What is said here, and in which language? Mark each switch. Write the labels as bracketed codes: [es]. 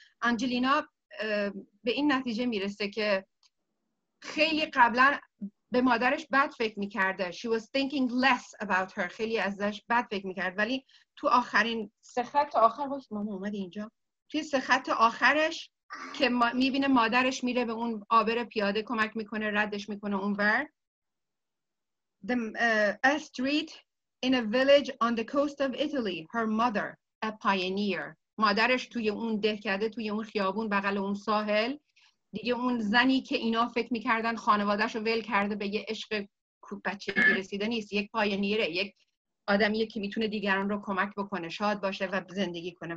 [fa] آنجلینا به این نتیجه میرسه که خیلی قبلا به مادرش بد فکر میکرده. [en] She was thinking less about her. [fa] خیلی ازش بد فکر میکرد. ولی تو آخرین سخت آخر گفت ماما اومد اینجا. توی سخت آخرش که میبینه مادرش میره به اون عابر پیاده کمک میکنه، ردش میکنه اونور. [en] A street in a village on the coast of Italy. Her mother, a pioneer. [fa] مادرش توی اون دهکده، توی اون خیابون بغل اون ساحل، دیگه اون زنی که اینا فکر میکردن خانوادهش رو ول کرده به یه عشق بچه رسیده نیست، یک پایونیره، یک آدمیه که میتونه دیگران رو کمک بکنه، شاد باشه و زندگی کنه.